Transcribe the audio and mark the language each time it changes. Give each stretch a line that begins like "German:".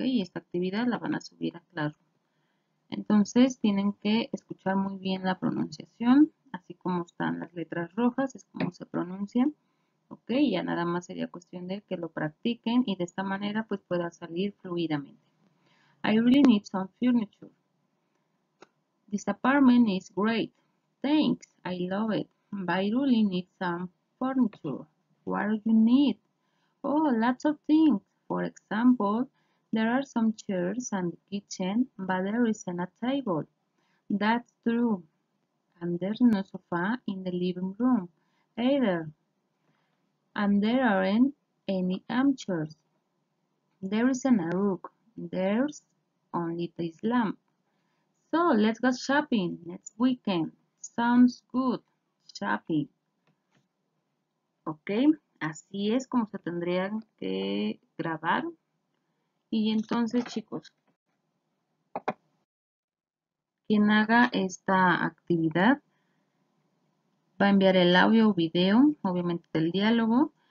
Spanish: Y esta actividad la van a subir a Classroom. Entonces tienen que escuchar muy bien la pronunciación. Así como están las letras rojas, es como se pronuncian. ¿Ok? Ya nada más sería cuestión de que lo practiquen y de esta manera pues pueda salir fluidamente.
English: I really need some furniture. This apartment is great. Thanks, I love it. But I really need some furniture. What do you need? Oh, lots of things. For example, there are some chairs and the kitchen, but there isn't a table. That's true. And there's no sofa in the living room either. And there aren't any armchairs. There isn't a rug. There's only this lamp. So, let's go shopping next weekend. Sounds good. Shopping.
Spanish: Ok, así es como se tendrían que grabar. Y entonces, chicos, quien haga esta actividad va a enviar el audio o video, obviamente del diálogo.